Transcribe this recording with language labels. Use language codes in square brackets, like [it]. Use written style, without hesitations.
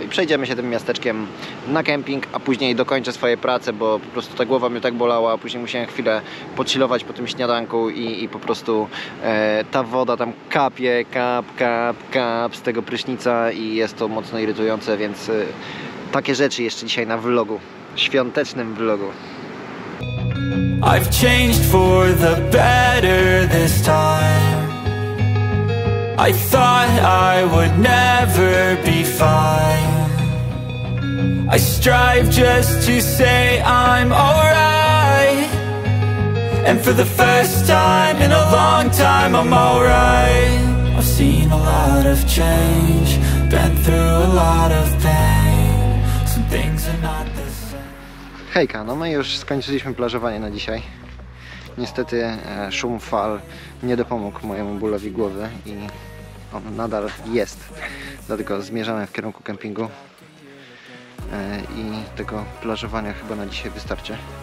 [pl] I przejdziemy się tym miasteczkiem na kemping, a później dokończę swoje prace, bo po prostu ta głowa mnie tak bolała, a później musiałem chwilę podchillować po tym śniadanku i po prostu ta woda tam kapie, kap, kap, kap z tego prysznica i jest to mocno irytujące, więc takie rzeczy jeszcze dzisiaj na vlogu. Świątecznym vlogu. [en] I've changed for the better this time. I thought I would never be fine. I strive just to say I'm alright. And for the first time in a long time, I'm alright. I've seen a lot of change, been through a lot of pain. Some things are not the same. [pl] Hejka, no my już skończyliśmy plażowanie na dzisiaj. Niestety szum fal nie dopomógł mojemu bólowi głowy i on nadal jest. Dlatego zmierzamy w kierunku kempingu. I tego plażowania chyba na dzisiaj wystarczy.